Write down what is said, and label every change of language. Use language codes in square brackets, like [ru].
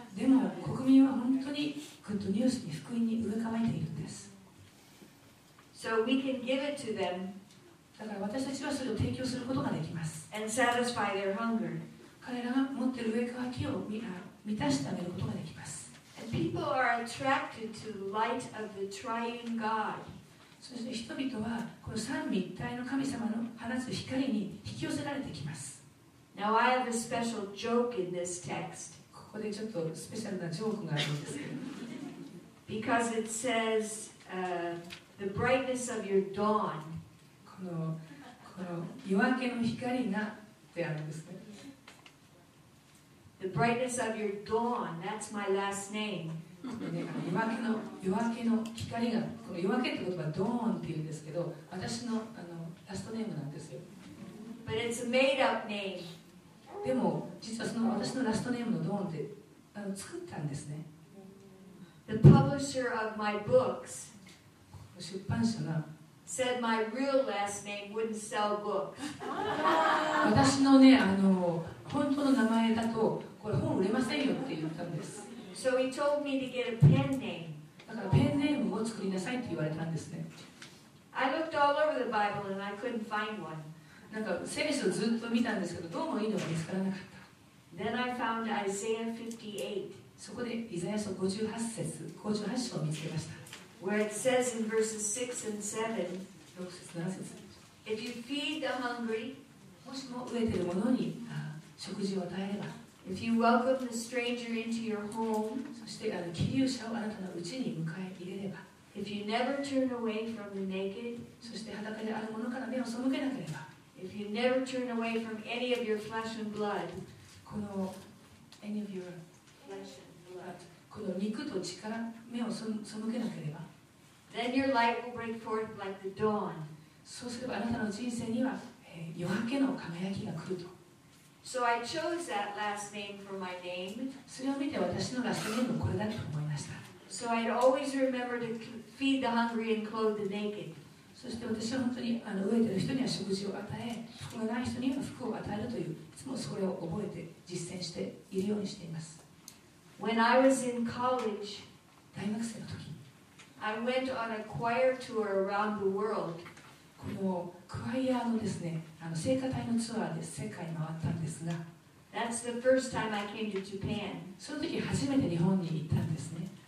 [ja] でも国民は本当にグッドニュースに福音に飢え渇いているんです。 [en] So we can give it to them. [ja] だから私たちはそれを提供することができます。 [en] And satisfy their hunger. [ja] 彼らが持っている飢え渇きを見る。満たしてあげることができます。 [en] And people are attracted to the light of the triune God. [ja] そして人々はこの三位一体の神様の放つ光に引き寄せられてきます。 [en] Now I have a special joke in this text. [ja] ここでちょっとスペシャルなジョークがあるんですけど。 [en] Because it says, the brightness of your dawn. [ja] この夜明けの光がってあるんですね。 [en] The brightness of your dawn. That's my last name. [ja] 夜明けの光が、この夜明けって言葉はドーンって言うんですけど、私のラストネームなんですよ。 [en] But it's a made-up name. [ja] でも実はその私のラストネームのドーンって作ったんですね。 [en] The publisher of my books. [ja] 出版社が。 [en] Said my real last name wouldn't sell books. [ja] 私のね本当の名前だとこれ本売れませんよって言ったんです。 [en] So he told me to get a pen name. [ja] だからペンネームを作りなさいって言われたんですね。 [en] I looked all over the Bible and I couldn't find one. [ja] なんか聖書ずっと見たんですけどどうもいいのが見つからなかった。 [en] Then I found Isaiah 58. [ja] そこでイザヤ書58章を見つけました。 [en] Where it says in verses 6 and 7, [ja] 6節7節 [en] If you feed the hungry, [ja] もしも飢えている者に食事を与えれば、 [en] If you welcome the stranger into your home, [ja] そして寄居者をあなたの家に迎え入れれば、 [en] If you never turn away from the naked, [ja] そして裸である者から目を背けなければ、 [en] If you never turn away from any of your flesh and blood, この any of your flesh and blood. [ja] この肉と血から目を背けなければ [en] Then your light will break forth like the dawn. [ja] そうすればあなたの人生には、夜明けの輝きが来ると [en] So I chose that last name for my name. [ja] それを見て私のラストネームこれだと思いました [en] So I'd always remember to feed the hungry and clothe the naked. [ja] そして私は本当に飢えている人には食事を与え服がない人には服を与えるといういつもそれを覚えて実践しているようにしています [en] When I was in college, [ja] 大学生の時 [en] I went on a choir tour around the world. [ja] このクワイアのですね、聖歌隊のツアーで世界回ったんですが [en] That's the first time I came to Japan. [ja] その時初めて日本に行ったんですね。